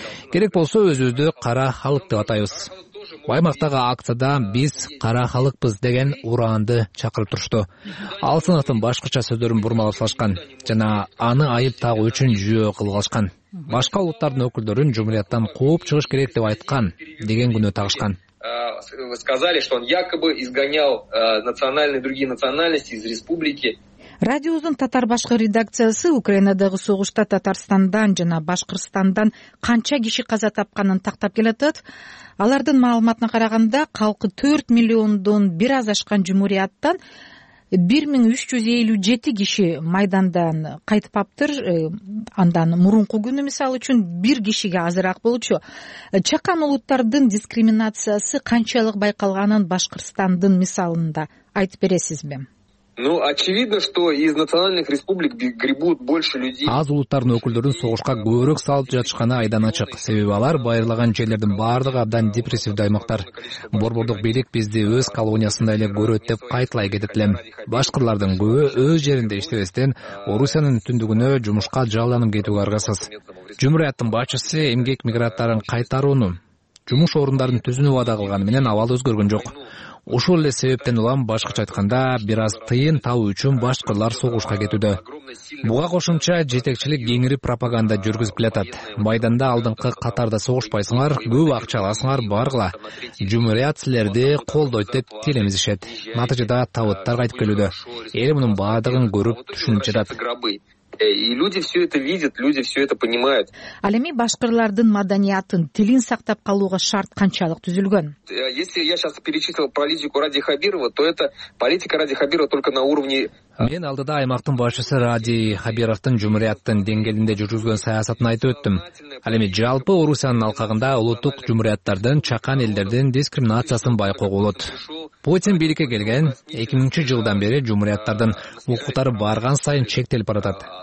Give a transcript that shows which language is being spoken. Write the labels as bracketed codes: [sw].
[ky] Керек болсо өзүбүздү кара халык деп атайбыз. Баймактагы акцияда биз кара халыкпыз деген ураанды чакырып турушту. Алсыновдун башкача сөздөрүн бурмалап салышкан жана аны айып тагуу үчүн жүйө кылгылашкан. Башка улуттардын өкүлдөрүн жумурияттан кууп чыгыш керек деп айткан деген күнү тагышкан. [ru] Сказали, что он якобы изгонял национальные другие национальности из республики. [ky] Радиоузун татар башкы редакциясы Украинадагы согушта Татарстандан жана Башкырстандан канча киши каза тапканын тактап келатат. Алардын маалыматына караганда калкы 4 миллиондон бир аз ашкан жумурияттан 1357 киши майдандан кайтыпаптыр. Андан мурунку күнү мисалы үчүн бир кишиге азыраак болчу. Чакан улуттардын дискриминациясы канчалык байкалганын Башкырстандын мисалында айтып бересизби? [ru] Ну, очевидно, что из национальных республик гребут больше людей. [ky] Аз улуттардын өкүлдөрүн согушка көбүрөөк салып жатышканы айдан ачык. Себеби алар байырлаган жерлердин баардыгы абдан депрессивдүү аймактар. Борбордук бийлик бизди өз колониясындай эле көрөт деп кайтылай кетет элем. Башкырлардын көбү өз жеринде иштебестен Орусиянын түндүгүнө жумушка жалданып кетүүгө аргасыз. Жумуряттын башчысы эмгек мигранттарын кайтарууну жумуш орундарын түзүнүп убада кылганы менен абал өзгөргөн жок. Ошол эле себептен улам башкача айтканда бир аз тыйын табуу үчүн башкырлар согушка кетүүдө. Буга кошумча жетекчилик кеңири пропаганда жүргүзүп келатат. Майданда алдыңкы катарда согушпайсыңар, көп акча аласыңар, баргыла. Жумурият силерди колдойт деп телемизишет. Натыйжада табыттар кайтып келүүдө. Эл мунун баардыгын көрүп түшүнүп жатат. [ru] И люди все это видят, люди все это понимают. [ky] Ал эми башкырлардын маданиятын, тилин сактап калууга шарт канчалык түзүлгөн? [ru] Если я сейчас перечислил политику Ради Хабирова, то это политика Ради Хабирова только на уровне. [ky] Мен алдыда аймактын башчысы Ради Хабировдун жумурияттын деңгээлинде жүргүзгөн саясатын айтып өттүм. Ал эми жалпы Орусиянын алкагында улуттук жумурияттардын чакан элдердин дискриминациясын байкоого болот. Путин бийликке келген 2000-жылдан бери жумурияттардын укуктары барган сайын чектелип баратат.